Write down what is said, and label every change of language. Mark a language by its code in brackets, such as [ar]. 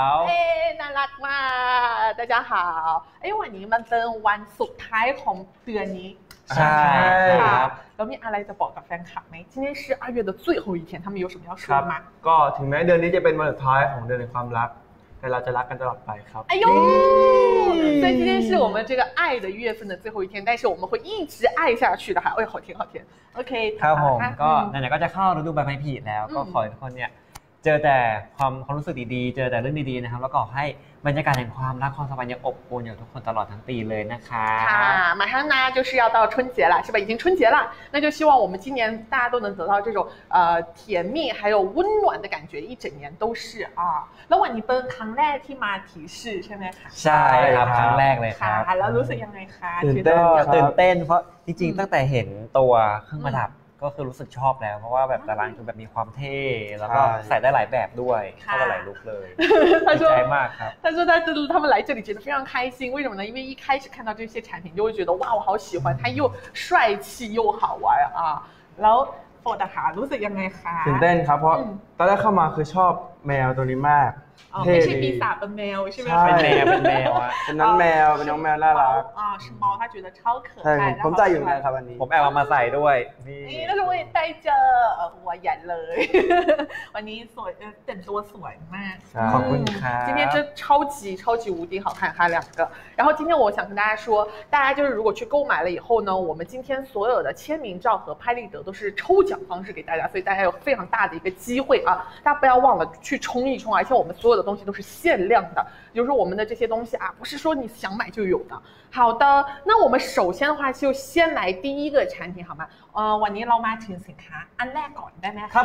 [th] เอ๊ะน่ารักมาก [zh] 大家好 [th] เอ๊ะวันนี้มันเป็นวันสุดท้ายของเดือนนี้ใช่ครับ แล้วมีอะไรจะบอกกับแฟนคลับมั้ย [zh] 今天是2月的最后一天他们有什么要说吗 [th] ก็ถึงแม้เดือนนี้จะเป็นวันสุดท้ายของเดือนแห่งความรักแต่เราจะรักกันตลอดไปครับ [zh] อยู所以今天是我们这个爱的月份的最后一天但是我们会一直爱下去的哈哎好甜好甜 OK [th] ครับผมก็นั่นแหละก็จะเข้าฤดูใบไม้ผลิแล้วก็ขอให้ทุกคนเนี่ยเจอแต่ความรู้สึกดีๆเจอแต่เรื่องดีๆนะครับแล้วก็ให้บรรยากาศแห่งความรักความสัมพันธ์ยังอบอุ่นอยู่ทุกคนตลอดทั้งปีเลยนะคะ [zh] ค่ะ马上呢就是要到春节了是吧已经春节了那就希望我们今年大家都能得到这种甜蜜还有温暖的感觉一整年都是啊 [th] แล้ววันนี้เป็นครั้งแรกที่มาที่สื่อใช่ไหมคะ ใช่ครับครั้งแรกเลยค่ะ แล้วรู้สึกยังไงคะ ตื่นเต้นเพราะจริงๆตั้งแต่เห็นตัวเครื่องประดับก็คือรู้สึกชอบแล้วเพราะว่าแบบตารางคือแบบมีความเท่แล้วก็ใส่ได้หลายแบบด้วยเข้ากับหลายลุคเลยดีใจมากครับ ท่านชูท่านจะทำอะไรจะรู้สึก [zh] 非常开心为什么呢因为一开始看到这些产品就会觉得哇我好喜欢它又帅气又好玩啊 [th] แล้วโฟดค่ะรู้สึกยังไงคะ ตื่นเต้นครับเพราะตอนแรกเข้ามาคือชอบแมวตัวนี้มาก ไม่ใช่ปีศาจเป็นแมวใช่ไหม เป็นแมวเป็นแมว เป็นน้องแมวเป็นน้องแมวน่ารัก อ๋อชมอลเขาคิดว่าชอบเขิน ผมใจอยู่แล้วครับวันนี้ ผมแอบเอามาใส่ด้วย นี่แล้วก็ใส่เจอหัวใหญ่เลยวันนี้สวยเต็มตัวสวยมาก ขอบคุณค่ะ [zh] 今天这超级无敌好看哈两个然后今天我想跟大家说大家就是如果去购买了以后呢我们今天所有的签名照和拍立得都是抽奖方式给大家所以大家有非常大的一个机会啊大家不要忘了去冲一冲而且我们所有的东西都是限量的比如说我们的这些东西啊不是说你想买就有的好的那我们首先的话就先来第一个产品好吗 [th] วันนี้เรามาถึงสินค้าอันแรกก่อนได้ไหม